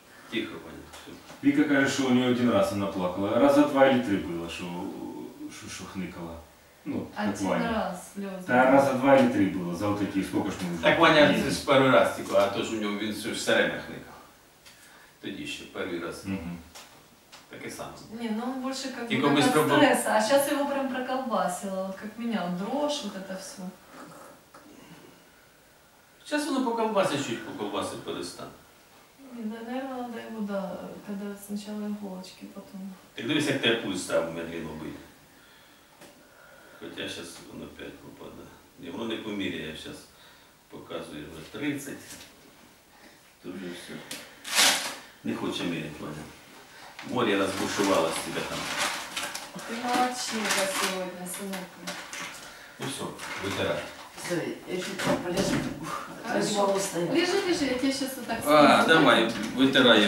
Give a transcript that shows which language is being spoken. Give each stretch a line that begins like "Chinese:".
Russian: Тихо, Ваня, все. Вика говорит, что у нее один раз она плакала. Раза два или три было, что хныкала. Ну, один так, Ваня. Раз слезы. Да, раза два или три было за вот эти, сколько ж мы уже... Так, Ваня, это же первый раз тихо, а то же у него он все время хныкал.
Ukrainian: Тоді ще перший раз. Угу. Таке саме. Ні, ну він більше як стрес, а зараз його прям проколбасило, от як мене, дрож, от це все. Зараз воно поколбасить, чуть поколбасить перестане. Ні, наверное, треба його, да, коли спочатку іголочки, потім. Так дивись, як ти пульс став медленно бити. Хоча зараз воно 5 попадає. Ні, воно не поміряє, я зараз показую його 30. Тут вже все. Не хочу мерить, Ваня.
Russian: Море разбушевалось тебя там. Ты молодчинка сегодня, сынок. Ну все, вытирай. Стой, я чуть полежу. Хорошо. Лежи, лежи, я тебе сейчас вот так скажу. А, скажу. Давай, вытирай.